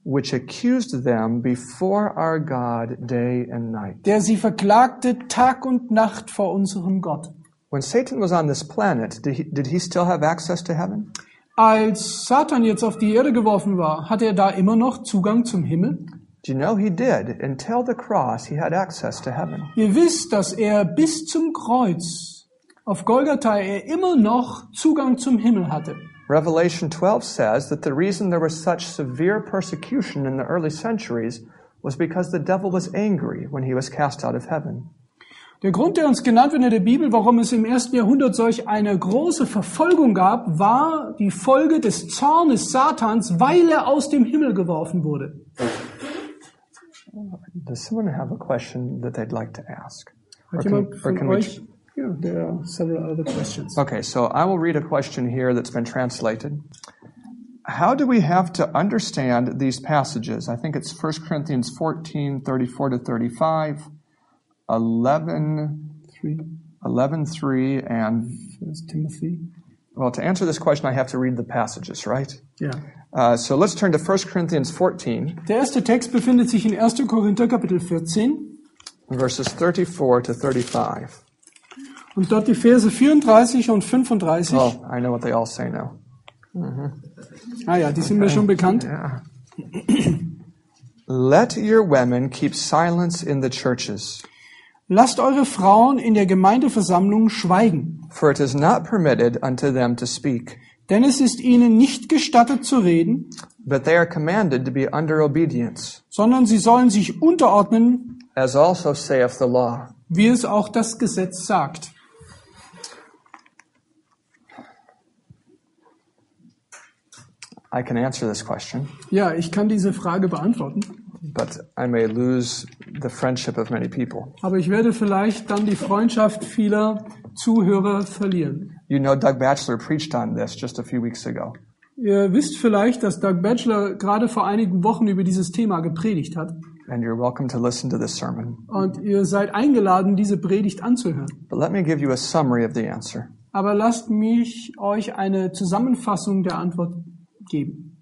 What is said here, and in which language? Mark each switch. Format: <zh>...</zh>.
<en>Which accused them before our God day and night.</en> <de>Der sie verklagte Tag und Nacht vor unserem Gott.</de> <en>When Satan was on this planet, did he still have access to heaven?</en> <de>Als Satan jetzt auf die Erde geworfen war, hatte er da immer noch Zugang zum Himmel?</de> <en>Do you know he did? Until the cross, he had access to heaven.</en> <de>Ihr wisst, dass er bis zum Kreuz auf Golgatha er immer noch Zugang zum Himmel hatte.</de> <en>Revelation 12 says that the reason there was such severe persecution in the early centuries was because the devil was angry when he was cast out of heaven.</en> <de>Der Grund, der uns genannt wird in der Bibel, warum es im ersten Jahrhundert solch eine große Verfolgung gab, war die Folge des Zornes Satans, weil er aus dem Himmel geworfen wurde.</de> <en>Does someone have a question that they'd like to ask? Yeah, there are several other questions. Okay, so I will read a question here that's been translated. How do we have to understand these passages? I think it's 1 Corinthians 14, 34 to 35, 11:3, and 1 Timothy. Well, to answer this question, I have to read the passages, right? Yeah. So let's turn to 1 Corinthians 14.</en> <de>Der erste Text befindet sich in 1. Korinther, Kapitel 14.</de> <en>Verses 34 to 35.</en> <de>Und dort die Verse 34 und 35.</de> <en>Oh, I know what they all say now.</en> <de>Mm-hmm. Ah ja, die sind mir schon bekannt.</de> <en>Yeah. Let your women keep silence in the churches.</en> <de>Lasst eure Frauen in der Gemeindeversammlung schweigen.</de> <en>For it is not permitted unto them to speak.</en> <de>Denn es ist ihnen nicht gestattet zu reden.</de> <en>But they are commanded to be under obedience.</en> <de>Sondern sie sollen sich unterordnen.</de> <en>As also saith the law.</en> <de>Wie es auch das Gesetz sagt.</de> <en>I can answer this question.</en> <de>Ja, ich kann diese Frage beantworten.</de> <en>But I may lose the friendship of many people.</en> <de>Aber ich werde vielleicht dann die Freundschaft vieler Zuhörer verlieren.</de> <en>You know, Doug Batchelor preached on this just a few weeks ago.</en> <de>Ihr wisst vielleicht, dass Doug Batchelor gerade vor einigen Wochen über dieses Thema gepredigt hat.</de> <en>And you're welcome to listen to this sermon.</en> <de>Und ihr seid eingeladen, diese Predigt anzuhören.</de> <en>But let me give you a summary of the answer.</en> <de>Aber lasst mich euch eine Zusammenfassung der Antwort geben.</de>